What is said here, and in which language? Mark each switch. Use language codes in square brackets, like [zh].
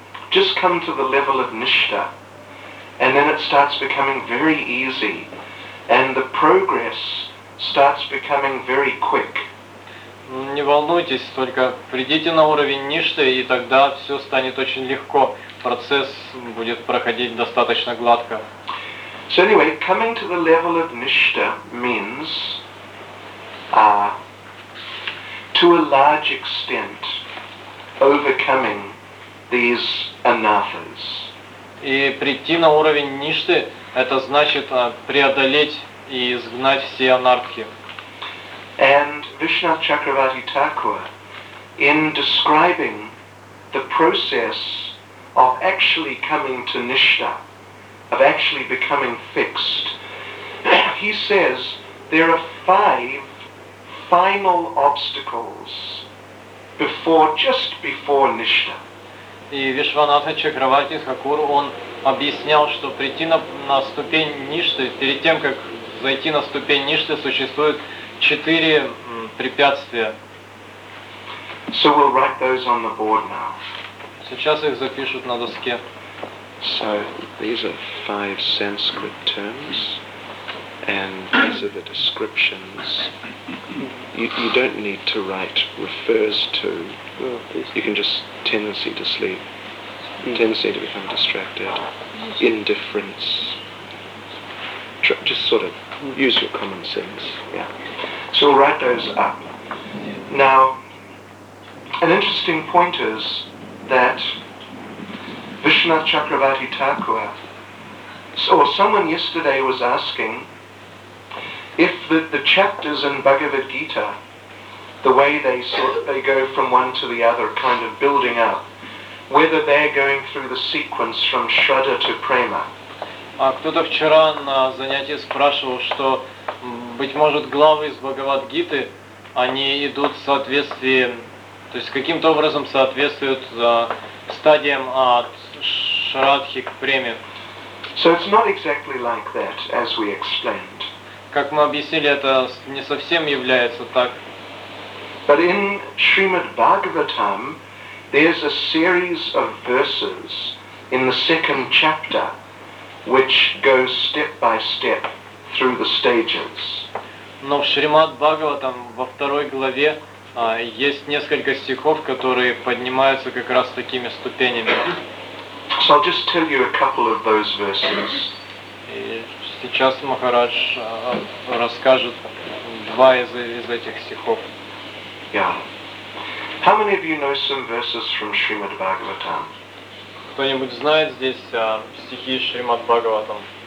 [en] Just come to the level of nishta, and then it starts becoming very easy, and the progress starts becoming very quick. [ru] Не волнуйтесь, только придите на уровень ништы, и тогда все станет очень легко. Процесс будет проходить достаточно гладко. [en] So anyway, coming to the level of nishta means to a large extent overcoming these anathas. [ru] И прийти на уровень ништы это значит преодолеть и изгнать все анархи. [en] And Vishnath Chakravarti Thakur, in describing the process of actually coming to nishta, of actually becoming fixed, he says there are five final obstacles before, just before nishta. [ru] И Вишванатха Чакраварти Хакур, он объяснял, что прийти на ступень ништы, перед тем, как зайти на ступень ништы, существует четыре препятствия. [en] So we'll write those on the board now. [ru] Сейчас их запишут на доске. [en] So these are five Sanskrit terms, and these are the descriptions. You don't need to write refers to. You can just tendency to sleep, tendency to become distracted, indifference. Just sort of use your common sense. Yeah. So we'll write those up. Now, an interesting point is that Vishnath Chakravarti Thakur, or someone yesterday was asking if the chapters in Bhagavad Gita, the way they sort of, they go from one to the other, kind of building up, whether they're going through the sequence from Shraddha to Prema. [ru] А кто-то вчера на занятии спрашивал, что, быть может, главы из Бхагавад-гиты, они идут в соответствии, то есть каким-то образом соответствуют стадиям от Шрадхи к Преме. [en] So it's not exactly like that, as we explained. [ru] Как мы объяснили, это не совсем является так. [en] But in Srimad Bhagavatam, there's a series of verses in the second chapter which go step by step through the stages. [ru] Но в Шримад Бхагаватам во второй главе есть несколько стихов, которые поднимаются как раз такими ступенями. [en] So I'll just tell you a couple of those verses. [ru] И сейчас Махарадж расскажет два из этих стихов. [en] Yeah. How many of you know some verses from Srimad Bhagavatam? [ru] Кто-нибудь знает здесь стихи Шримад Бхагаватам?